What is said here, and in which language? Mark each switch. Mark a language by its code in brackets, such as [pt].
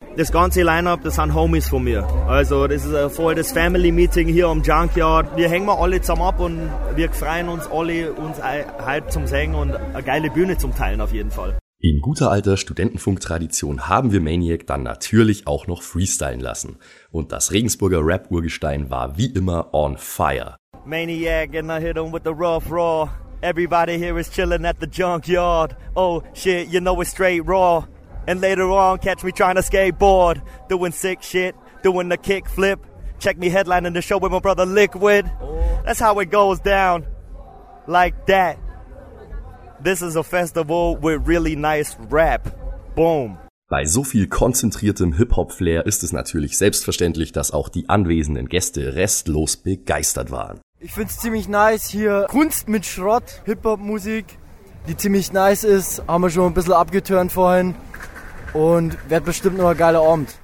[de] Das ganze Line-Up, das sind Homies von mir. Also das ist voll das Family-Meeting hier am Junkyard. Wir hängen alle zusammen ab und wir freuen uns alle, uns heute zum Singen und eine geile Bühne zum Teilen auf jeden Fall. In guter alter Studentenfunk-Tradition haben wir Maniac dann natürlich auch noch freestylen lassen. Und das Regensburger Rap-Urgestein war wie immer [en] on fire. Maniac and I hit him with the rough raw. Everybody here is chilling at the junkyard. Oh shit, you know it's straight raw. And later on catch me trying to skateboard. Doing sick shit, doing the kickflip. Check me headlining the show with my brother Liquid. That's how it goes down. Like that. This is a festival with really nice rap. Boom. [de] Bei so viel konzentriertem Hip-Hop-Flair ist es natürlich selbstverständlich, dass auch die anwesenden Gäste restlos begeistert waren. Ich find's ziemlich nice hier. Kunst mit Schrott, Hip-Hop-Musik, die ziemlich nice ist. Haben wir schon ein bisschen abgeturnt vorhin. Und wird bestimmt noch ein geiler Abend.